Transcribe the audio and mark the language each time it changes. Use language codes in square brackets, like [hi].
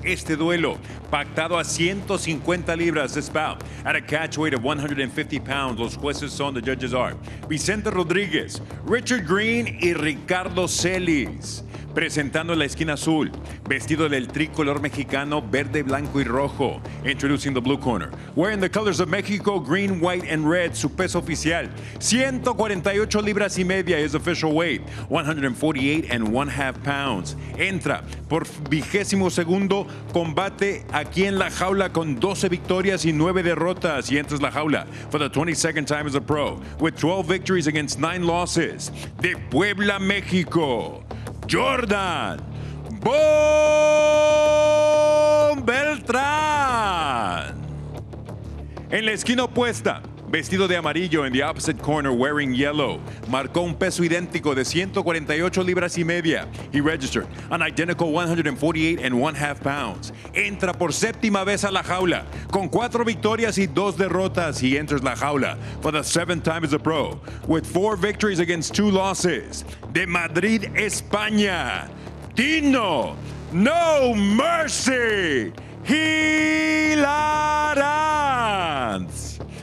[es] Este duelo pactado a 150 libras, [en] this bout, at a catch weight of 150 pounds. [es] Los jueces son, [en] the judges are, [es] Vicente Rodríguez, Richard Green y Ricardo Celis. Presentando en la esquina azul, vestido del tricolor mexicano, verde, blanco y rojo. [en] Introducing the blue corner. Wearing the colors of Mexico, green, white and red. [es] Su peso oficial, 148 libras y media, [en] his official weight, 148.5 pounds. [es] Entra por 22º combate aquí en la jaula con 12 victorias y 9 derrotas. Y entras la jaula [en] for the 22nd time as a pro, with 12 victories against 9 losses. [es] De Puebla, México. Jordan Boom Beltran. En la esquina opuesta, vestido de amarillo, [en] in the opposite corner, wearing yellow, [es] marcó un peso idéntico de 148 libras y media. [en] He registered an identical 148.5 pounds. [es] Entra por 7th vez a la jaula, con 4 victorias y 2 derrotas. [en] He enters [es] la jaula [en] for the 7th time as a pro, with 4 victories against 2 losses. [es] De Madrid, España, Tino No Mercy Gilaranz.